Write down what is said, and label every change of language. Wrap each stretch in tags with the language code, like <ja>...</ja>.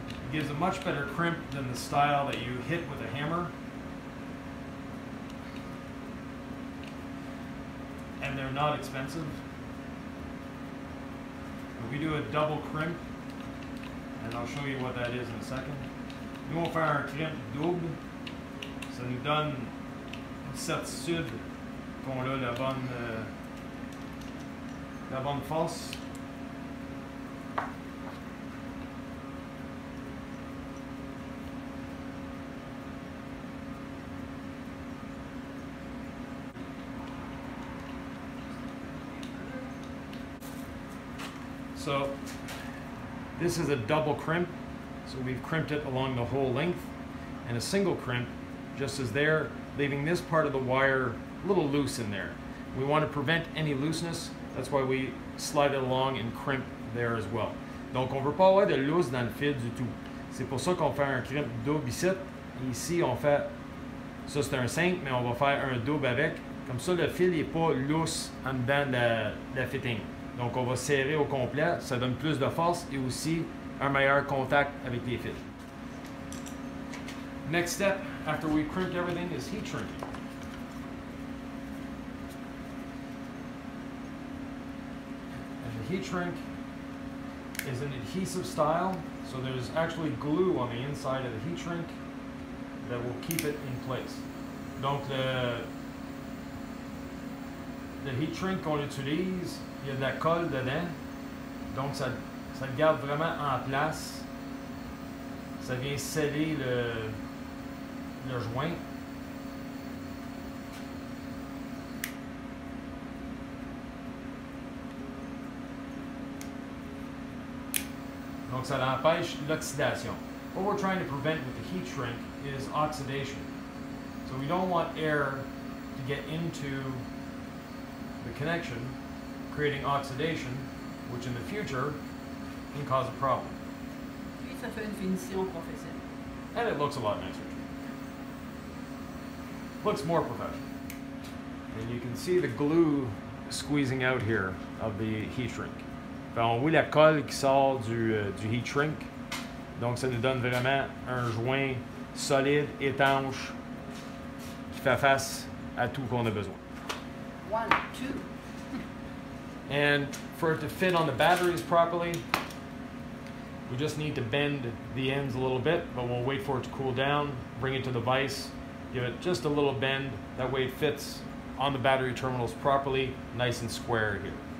<en>Gives a much better crimp than the style that you hit with a hammer. And they're not expensive. If we do a double crimp, and I'll show you what that is in a second.</en> <fr>Nous on fait un crimp double. Ça nous donne une certitude qu'on a la bonne force.</fr> <en>So, this is a double crimp, so we've crimped it along the whole length, and a single crimp just is there, leaving this part of the wire a little loose in there. We want to prevent any looseness, that's why we slide it along and crimp there as well.</en> <fr>Donc on ne veut pas avoir de loose dans le fil du tout. C'est pour ça qu'on fait un crimp double ici. Ici on fait, ça c'est un 5, mais on va faire un double avec. Comme ça le fil n'est pas loose en dedans de la fitting. Donc on va serrer au complet, ça donne plus de force et aussi un meilleur contact avec les fils.</fr> <en>Next step, after we crimp everything, is heat shrinking. And the heat shrink is an adhesive style, so there's actually glue on the inside of the heat shrink that will keep it in place.</en> <fr>Donc le heat shrink qu'on utilise, il y a de la colle dedans, donc ça le garde vraiment en place. Ça vient sceller le joint. Donc ça empêche l'oxydation.</fr> <en>What we're trying to prevent with the heat shrink is oxidation. So we don't want air to get into the connection, creating oxidation, which in the future can cause a problem.</en> <fr>Puis ça fait une finition professionnelle.</fr> <en>And it looks a lot nicer. Looks more professional. And you can see the glue squeezing out here of the heat shrink.</en> <fr>On voit la colle qui sort du heat shrink. Donc ça nous donne vraiment un joint solide, étanche, qui fait face à tout qu'on a besoin.</fr> <en>One, two. And for it to fit on the batteries properly, we just need to bend the ends a little bit, but we'll wait for it to cool down, bring it to the vise, give it just a little bend, that way it fits on the battery terminals properly, nice and square here.</en>